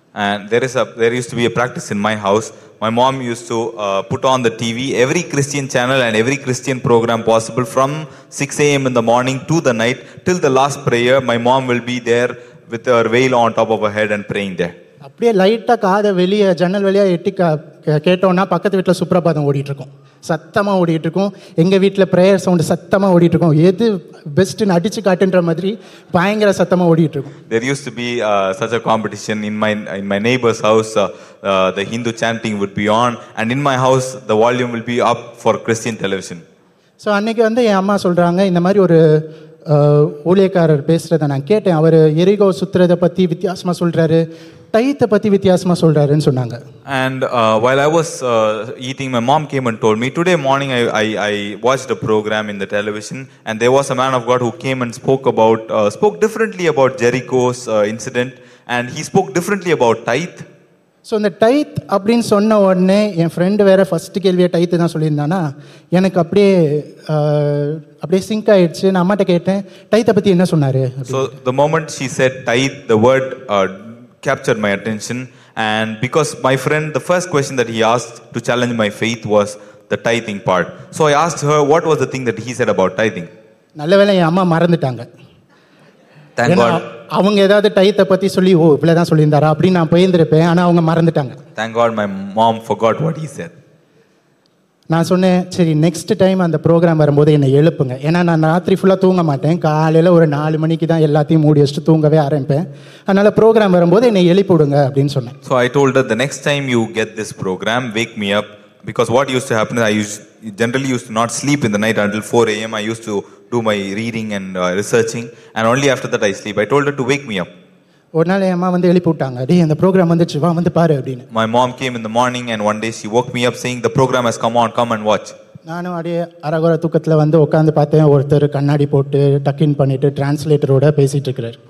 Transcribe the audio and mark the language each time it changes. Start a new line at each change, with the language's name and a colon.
English: And there used to be a practice in my house. My mom used to put on the TV every Christian channel and every Christian program possible from 6 a.m. in the morning to the night till the last prayer. My mom will be there with her veil on top of her head and praying there.
Tamil: அப்படியே லைட்டா காத வெளிய ஜன்னல் வெளியா எட்டி கேட்டோம்னா பக்கத்து வீட்டுல சுப்ரபாதம் ஓடிட்டு இருக்கும், சத்தமா ஓடிட்டு இருக்கும், எங்க வீட்டுல பிரேயர் சவுண்ட் சத்தமா ஓடிட்டு இருக்கும், எது பெஸ்ட்னு அடிச்சு காட்டுன்ற மாதிரி பயங்கர சத்தமா ஓடிட்டு இருக்கும்.
English: There used to be such a competition in my neighbor's house. The Hindu chanting would be on and in my house the volume will be up for Christian television.
Tamil: So அன்னைக்கு வந்து என் அம்மா சொல்றாங்க, இந்த மாதிரி ஒரு ஊழியக்காரர் பேசுறத நான் கேட்டேன், அவர் எரிகோ சுத்துறதை பத்தி வித்தியாசமா சொல்றாரு, டைத்தை பத்தி வித்தியாசமா சொல்றாருன்னு சொன்னாங்க.
English: And while I was eating, my mom came and told me, today morning I watched a program in the television and there was a man of God who came and spoke differently about Jericho's incident and he spoke differently about tithe.
Tamil: So இந்த tithe அப்படின்னு சொன்ன உடனே என் friend வேற first கேள்வியை tithe தான் சொல்லியிருந்தானா, எனக்கு அப்படியே sink ஆயிடுச்சு. நான் அம்மாட்ட கேட்டேன், டைத்தை பத்தி என்ன சொன்னாரு?
English: So the moment she said tithe, the word captured my attention and because my friend, the first question that he asked to challenge my faith was the tithing part. So I asked her, what was the thing that he said about tithing?
Tamil: நல்லவேளை என் அம்மா மறந்துட்டாங்க.
English: Thank God.
Tamil: அவங்க ஏதாவது டைத்தை பத்தி சொல்லி ஓ இவ்வளவு தான் சொல்லியிருந்தாரா அப்படின்னு நான் போயிருந்திருப்பேன், ஆனா அவங்க மறந்துட்டாங்க.
English: Thank God my mom forgot what he said.
Tamil: நான் சொன்னேன், சரி நெக்ஸ்ட் டைம் அந்த ப்ரோக்ராம் வரும்போது என்னை எழுப்புங்க, ஏன்னா நான் ராத்திரி ஃபுல்லாக தூங்க மாட்டேன், காலையில் ஒரு 4 மணிக்கு தான் எல்லாத்தையும் மூடி வச்சுட்டு தூங்கவே ஆரம்பிப்பேன், அதனால் ப்ரோக்ராம் வரும்போது என்னை எழுப்பி விடுங்க அப்படின்னு சொன்னேன்.
English: So I told her, the next time you get this program, wake me up. Because what used to happen is I generally used to not sleep in the night until 4 a.m. I used to do my reading and researching and only after that I sleep. I told her to wake me up. My mom came in the morning and one day she woke me up saying, the program has come on, come and watch.
Tamil: நானும் அப்படியே அரகோர தூக்கத்தில் வந்து உட்காந்து பார்த்தேன், ஒருத்தர் கண்ணாடி போட்டு டக்இன் பண்ணிட்டு டிரான்ஸ்லேட்டரோட பேசிட்டு இருக்கிறார்.